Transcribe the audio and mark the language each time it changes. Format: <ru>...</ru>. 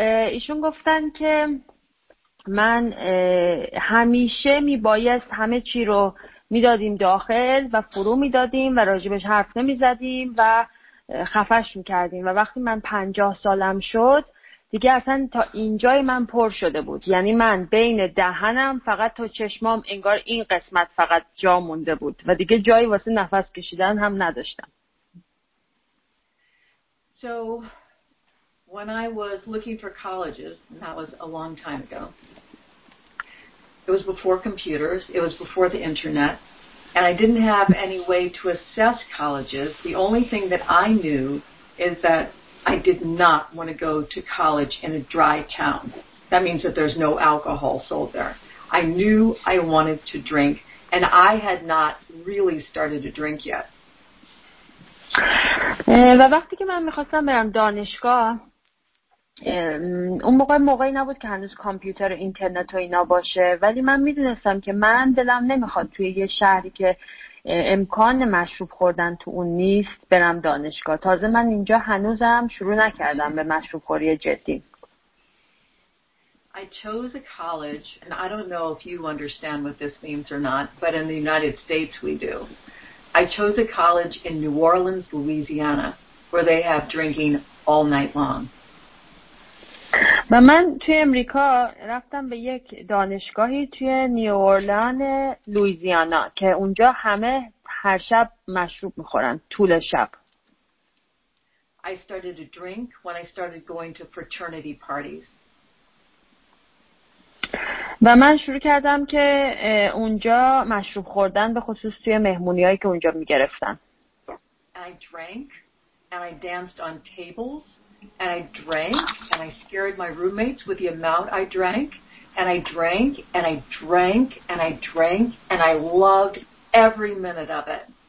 <fa>ایشون گفتن که من همیشه میبایست همه چی رو میدادیم داخل و فرو میدادیم و راجبش حرف نمیزدیم و خفش میکردیم، و وقتی من 50 سالم شد دیگه اصلا تا اینجای من پر شده بود، یعنی من بین دهنم فقط تا چشمام انگار این قسمت فقط جا مونده بود و دیگه جایی واسه نفس کشیدن هم نداشتم.</fa> <en>So when I was looking for colleges, and that was a long time ago, it was before computers, it was before the internet, and I didn't have any way to assess colleges. The only thing that I knew is that I did not want to go to college in a dry town. That means that there's no alcohol sold there. I knew I wanted to drink, and I had not really started to drink yet.</en> <fa>و وقتی که من میخواستم برم دانشگاه، اون موقع موقعی نبود که هنوز کامپیوتر و اینترنت و اینا باشه، ولی من میدونستم که من دلم نمیخواد توی یه شهری که امکان مشروب خوردن تو اون نیست برم دانشگاه. تازه من اینجا هنوزم شروع نکردم به مشروب خوری جدی.</fa> <en>I chose a college, and I don't know if you understand what this means or not, but in the United States we do. I chose a college in New Orleans, Louisiana, where they have drinking all night long.</en> <fa>من توی امریکا رفتم به یک دانشگاهی توی نیو اورلان لوئیزیانا که اونجا همه هر شب مشروب می‌خورن طول شب.</fa> <en>I started to drink when I started going to fraternity parties.</en> <fa>و من شروع کردم که اونجا مشروب خوردن، به خصوص توی مهمونی‌هایی که اونجا می‌گرفتن.</fa> <en>I drank and I danced on tables and I drank and I scared my roommates with the amount I drank and I drank and I drank and I drank and I loved every minute of it.</en>